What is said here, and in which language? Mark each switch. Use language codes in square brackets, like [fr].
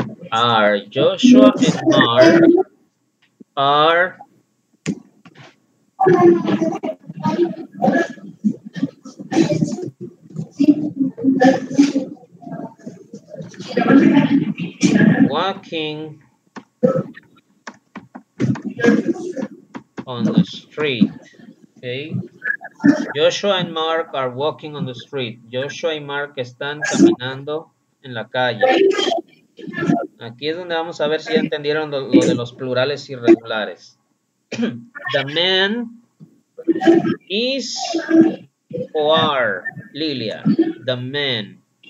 [en] Are Joshua and Mark are walking on the street. Okay. Joshua and Mark are walking on the street. [es] Joshua y Mark están caminando en la calle. Aquí es donde vamos a ver si ya entendieron lo de los plurales irregulares. [en] The man is o are, Lilia, the man.